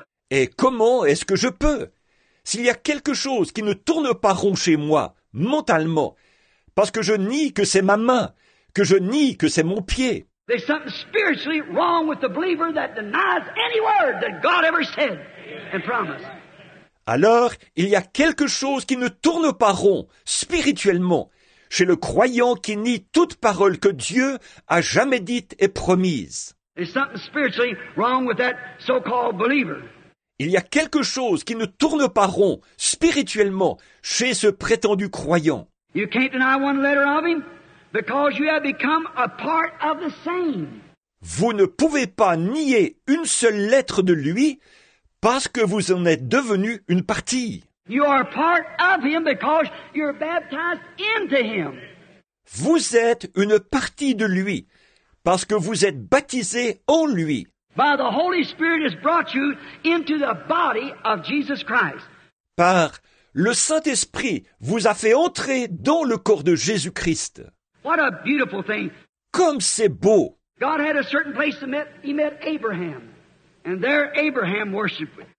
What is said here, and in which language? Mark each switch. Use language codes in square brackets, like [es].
[fr] Et comment est-ce que je peux? S'il y a quelque chose qui ne tourne pas rond chez moi, mentalement, parce que je nie que c'est ma main, que je nie que c'est mon pied. [en] There's something spiritually wrong with the believer that denies any word that God ever said and promised. [fr] Alors, il y a quelque chose qui ne tourne pas rond, spirituellement, chez le croyant qui nie toute parole que Dieu a jamais dite et promise. [en] There's something spiritually wrong with that so-called believer. [fr] Il y a quelque chose qui ne tourne pas rond, spirituellement, chez ce prétendu croyant. [en] You can't deny one letter of him. Because you have become a part of the same. [fr] Vous ne pouvez pas nier une seule lettre de lui parce que vous en êtes devenu une partie. [en] You are part of him because you're baptized into him. [fr] Vous êtes une partie de lui parce que vous êtes baptisé en lui. [en] By the Holy Spirit has brought you into the body of Jesus Christ. [fr] Par le Saint-Esprit vous a fait entrer dans le corps de Jésus-Christ. [en] What a beautiful thing. [fr] Comme c'est beau. [en] God had a certain place to meet. He met Abraham. And there Abraham worshipped.